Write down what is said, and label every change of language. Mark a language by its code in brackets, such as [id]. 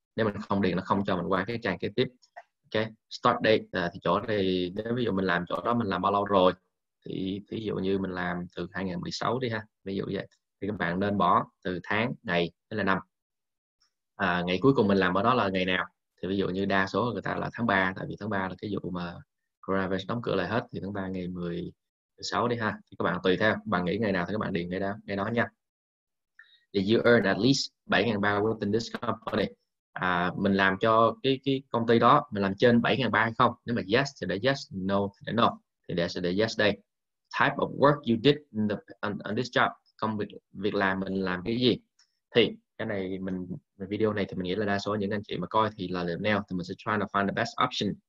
[vi] Nếu mình không điền nó không cho mình qua cái trang kế tiếp. Ok, start date thì chỗ này, nếu ví dụ mình làm chỗ đó mình làm bao lâu rồi, thì ví dụ như mình làm từ 2016 đi ha, ví dụ vậy, thì các bạn nên bỏ từ tháng ngày hay là năm. Ngày cuối cùng mình làm ở đó là ngày nào, thì ví dụ như đa số người ta là tháng 3, tại vì tháng 3 là cái vụ mà coronavirus đóng cửa lại hết, thì tháng 3 ngày 16 đi ha. Thì các bạn tùy theo bạn nghĩ ngày nào thì các bạn điền ngày đó nha. [en] Did you earn at least 7.300 within this company? [vi] Mình làm cho cái công ty đó mình làm trên 7.300 hay không? Nếu mà yes thì để yes, no thì để no. Thì để sẽ để yes đây. [en] Type of work you did on this job, [vi] công việc việc làm mình làm cái gì? Thì cái này mình video này thì mình nghĩ là đa số những anh chị mà coi thì là làm nail, thì mình sẽ [en] try to find the best option.